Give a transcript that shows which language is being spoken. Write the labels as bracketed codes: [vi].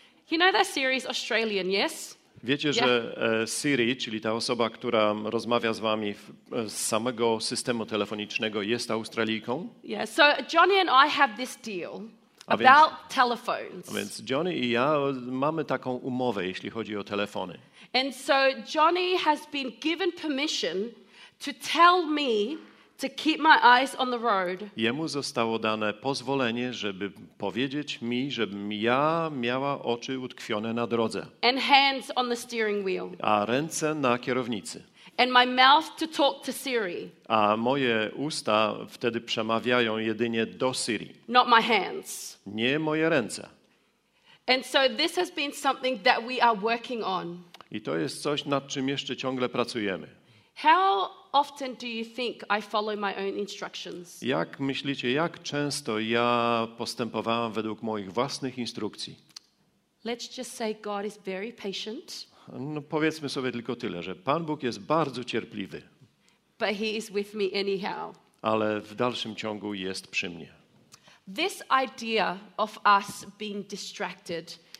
[en] You know that Siri is Australian, yes? [pl] Wiecie, yeah. Że Siri, czyli ta osoba, która rozmawia z wami z samego systemu telefonicznego, jest Australijką? [en] Yeah, so Johnny and I have this deal. About telephones. [pl] A więc Johnny i ja mamy taką umowę, jeśli chodzi o telefony. [en] And so Johnny has been given permission to tell me to keep my eyes on the road. [pl] Jemu zostało dane pozwolenie, żeby powiedzieć mi, żebym ja miała oczy utkwione na drodze. [en] And hands on the steering wheel. [pl] A ręce na kierownicy. [en] And my mouth to talk to Siri. [pl] A moje usta wtedy przemawiają jedynie do Siri. [en] Not my hands. [pl] Nie moje ręce. [en] And so this has been something that we are working on. [pl] I to jest coś, nad czym jeszcze ciągle pracujemy. [en] How often do you think I follow my own instructions? [pl] Jak myślicie, jak często ja postępowałam według moich własnych instrukcji? [en] Let's just say God is very patient. [pl] No, powiedzmy sobie tylko tyle, że Pan Bóg jest bardzo cierpliwy. [en] But he is with me anyhow. [pl] Ale w dalszym ciągu jest przy mnie. [en] This idea of us being distracted.